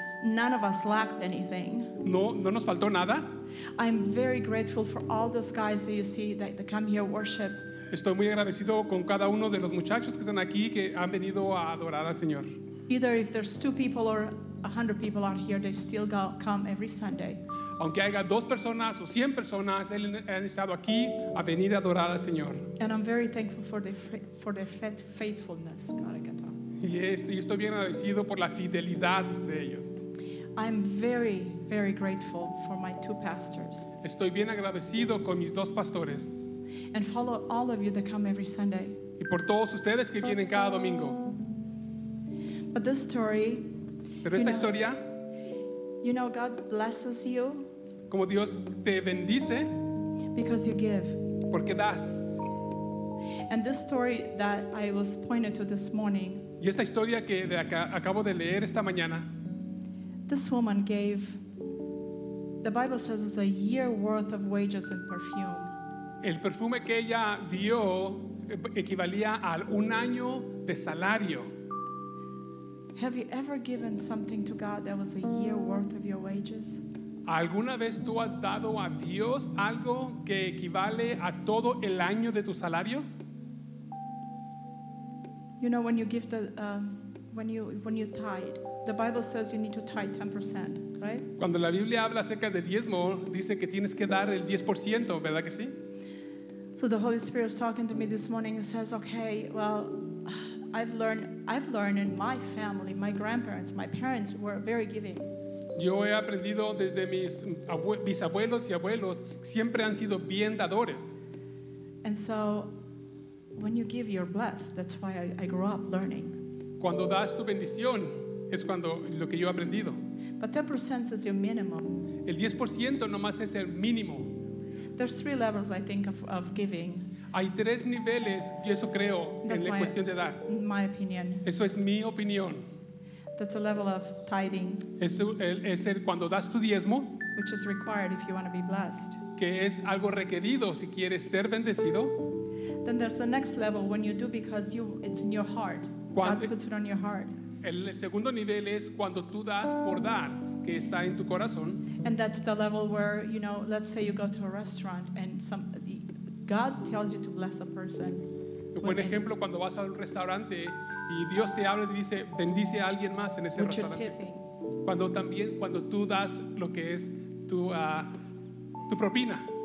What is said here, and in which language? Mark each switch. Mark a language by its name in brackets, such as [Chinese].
[English] None of us lacked anything. [Spanish] No nos faltó nada. [English] I'm very grateful for all those guys that you see that come here worship. [Spanish] Estoy muy agradecido con cada uno de los muchachos que están aquí que han venido a adorar al Señor. [English] Either if there's 2 people or 100 people out here, they still come every Sunday. [Spanish] Aunque haya 2 personas o 100 personas, han estado aquí a venir a adorar al Señor. [English] And I'm very thankful for their faithfulness, God. [Spanish] Y estoy bien agradecido por la fidelidad de ellos. [English] I'm very, very grateful for my 2 pastors. [Spanish] Estoy bien agradecido con mis 2 pastores. [English] And follow all of you that come every Sunday. [Spanish] Y por todos ustedes que vienen cada domingo. [English] But this story. [Spanish] Pero esta historia. [English] You know, God blesses you. [Spanish] Como Dios te bendice. [English] Because you give. [Spanish] Porque das. [English] And this story that I was pointed to this morning. [Spanish] Y esta historia que acabo de leer esta mañana. [English] This woman gave, the Bible says it's a year worth of wages in perfume. [Spanish] El perfume que ella dio equivalía al 1 año de salario. [English] Have you ever given something to God that was a year worth of your wages? [Spanish] ¿Alguna vez tú has dado a Dios algo que equivale a todo el año de tu salario? [English] You know, when you give the when you tithe, the Bible says you need to tithe 10%, right? [Spanish] Cuando la Biblia habla acerca del diezmo, dice que tienes que dar el 10%, ¿verdad que sí? [English] So the Holy Spirit is talking to me this morning and says, okay, well, I've learned in my family, my grandparents, my parents were very giving. [Spanish] Yo he aprendido desde mis bisabuelos y abuelos, siempre han sido bien dadores. [English] And so when you give, you're blessed. That's why I grew up learning. [Spanish] Cuando das tu bendición, es cuando lo que yo he aprendido. [English] But 10% is your minimum. [Spanish] El 10% nomás es el mínimo. [English] There's 3 levels, I think, of giving. [Spanish] Hay 3 niveles, y eso creo, [English] that's [Spanish] en la [English] my, [Spanish] cuestión de dar. [English] My opinion. [Spanish] Eso es mi opinión. [English] That's a level of tithing. [Spanish] Es el cuando das tu diezmo. [English] Which is required if you want to be blessed. [Spanish] Que es algo requerido si quieres ser bendecido. [English] Then there's the next level when you do because it's in your heart. God puts it on your heart. [Spanish] El segundo nivel es cuando tú das por dar, que está en tu corazón. [English] And that's the level where, you know, let's say you go to a restaurant and God tells you to bless a person. [Spanish] Buen ejemplo cuando vas a un restaurante y Dios te habla y dice bendice a alguien más en ese restaurante. Cuando también cuando tú das lo que es tu tu propina.